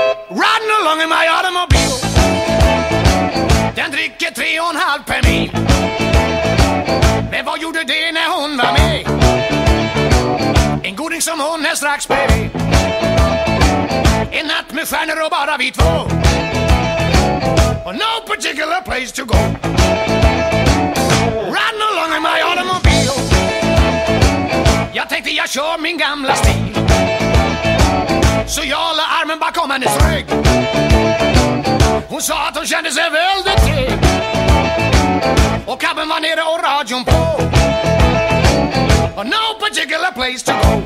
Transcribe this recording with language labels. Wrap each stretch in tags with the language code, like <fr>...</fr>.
<en>Riding along in my automobile,</en> <sv>den dricker 3,5 per mil. Men vad gjorde det när hon var med? En goding som hon är strax bredvid. En natt med stjärnor och bara vi två.</sv> <en>Och no particular place to go. Riding along in my automobile,</en> <sv>jag tänkte jag kör min gamla stil. Så jag la armen bakom hennes rygg. Hon sa att hon kände sig väldigt trygg. Och cabben var nere och radion på.</sv> <en>Och no particular place to go.</en>